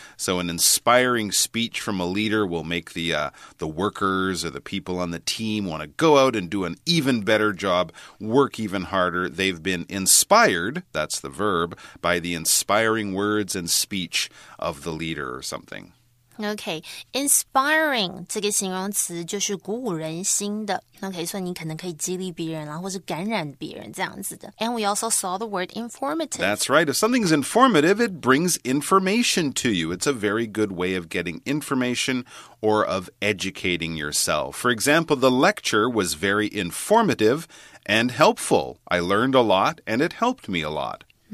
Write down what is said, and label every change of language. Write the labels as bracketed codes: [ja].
[en] So an inspiring speech from a leader will make the workers or the people on the team want to go out and do an even better job, work even harder. They've been inspired, that's the verb, by the inspiring words and speech of the leader or something. [zh] Okay, inspiring 这个形容词就是鼓舞人心的。 Okay, 所以你可能可以激励别人啦，或是感染别人这样子的。 [en] And we also saw the word informative. That's right. If something's informative, it brings information to you. It's a very good way of getting information or of educating yourself. For example, the lecture was very informative and helpful. I learned a lot and it helped me a lot.